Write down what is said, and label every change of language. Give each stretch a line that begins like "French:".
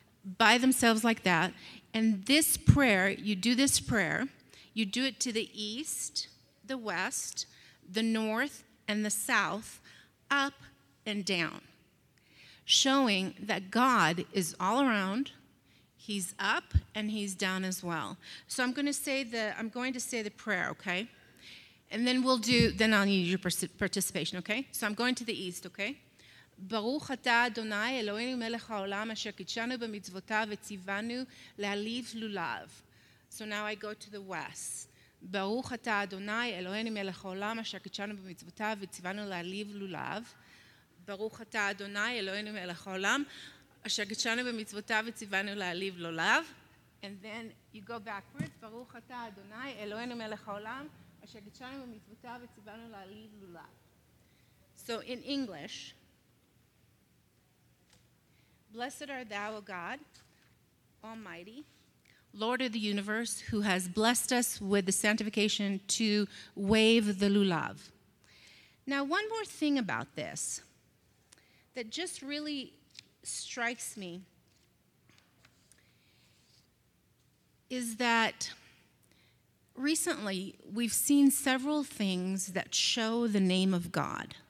English: by themselves like that. And this prayer, you do this prayer, you do it to the east, the west, the north, and the south, up and down, showing that God is all around. He's up and he's down as well. So I'm going to say the prayer, okay? And then then I'll need your participation, okay? So I'm going to the east, okay?
Hebrew: ברוך אתה אדוני אלוהינו מלך העולם אשר קידשנו במצוותיו וציוונו להעליב לולב.
English: So now I go to the west.
Hebrew: ברוך אתה אדוני אלוהינו מלך העולם אשר קידשנו במצוותיו וציוונו להעליב לולב. ברוך אתה אדוני אלוהינו מלך העולם אשר קידשנו במצוותיו וציוונו להעליב לולב.
English: And then you go backwards.
Hebrew: ברוך אתה אדוני אלוהינו מלך העולם אשר קידשנו במצוותיו וציוונו להעליב לולב.
English: So in English, blessed art thou, O God, Almighty, Lord of the universe, who has blessed us with the sanctification to wave the lulav. Now, one more thing about this that just really strikes me is that recently we've seen several things that show the name of God.